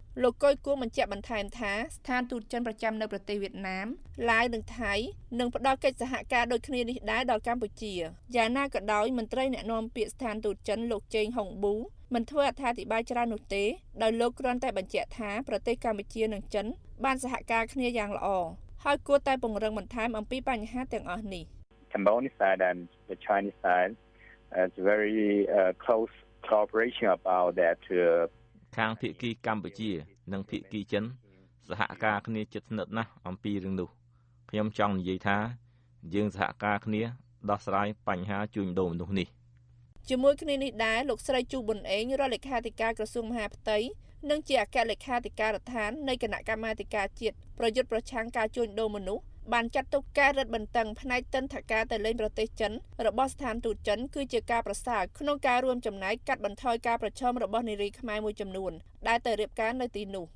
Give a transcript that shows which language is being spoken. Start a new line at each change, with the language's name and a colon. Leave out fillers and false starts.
Khmer: លោកកុយគួរបញ្ជាក់បន្ថែមថាស្ថានទូតចិនប្រចាំនៅប្រទេសវៀតណាមឡាវនិងថៃនឹងផ្ដល់កិច្ចសហការដូចគ្នានេះដែរដល់កម្ពុជាយ៉ាងណាក៏ដោយមន្ត្រីអ្នកណែនាំពាក្យស្ថានទូតចិនលោកជេងហុងប៊ូមិនធ្វើអត្ថាធិប្បាយច្រើននោះទេដោយលោកគ្រាន់តែបញ្ជាក់ថាប្រទេសកម្ពុជានិងចិនបានសហការគ្នាយ៉ាងល្អហើយគួរតែពង្រឹងបន្ថែមអំពីបញ្ហាទាំងអស់នេះ
English: Cambodian side and the Chinese side has very close cooperation about that to
Khmer: ខាងភាគីកម្ពុជានិងភាគីចិនសហការគ្នាជិតស្និទ្ធណាស់អំពីរឿងនោះខ្ញុំចង់និយាយថាយើងសហការគ្នាដោះស្រាយបញ្ហាជួញដូរមនុស្សនេះ ជាមួយគ្នានេះដែរលោកស្រីជូប៊ុនអេងរដ្ឋលេខាធិការក្រសួងមហាផ្ទៃនិងជាអគ្គលេខាធិការដ្ឋាននៃគណៈកម្មាធិការជាតិប្រយុទ្ធប្រឆាំងការជួញដូរមនុស្សបានចាត់ទុកការរឹតបន្តឹងផ្នែកទិន្នាការទៅលេងប្រទេសចិនរបស់ស្ថានទូតចិនគឺជាការប្រសើរក្នុងការរួមចំណែកកាត់បន្ថយការប្រឈមរបស់នារីខ្មែរមួយចំនួនដែលទៅរៀបការនៅទីនោះ